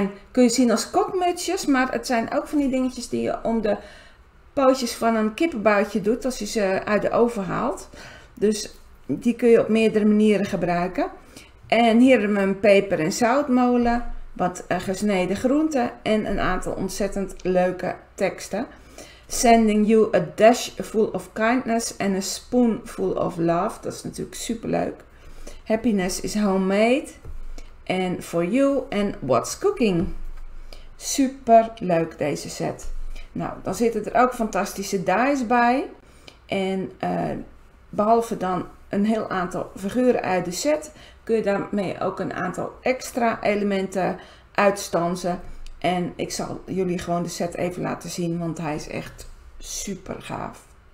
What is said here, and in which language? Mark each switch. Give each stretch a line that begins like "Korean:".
Dutch: Kun je zien als kokmutsjes, maar het zijn ook van die dingetjes die je om de pootjes van een kippenboutje doet als je ze uit de oven haalt. Dus die kun je op meerdere manieren gebruiken. En hier hebben we een peper- en zoutmolen, wat gesneden groenten en een aantal ontzettend leuke teksten.
English: Sending you a dash full of kindness and a spoon full of love.
Dutch: Dat is natuurlijk super leuk.
English: Happiness is homemade and for you and what's cooking.
Dutch: Super leuk deze set. Nou, dan zitten er ook fantastische dies bij. En behalve dan een heel aantal figuren uit de set, kun je daarmee ook een aantal extra elementen uitstansen. En ik zal jullie gewoon de set even laten zien, want hij is echt super gaaf.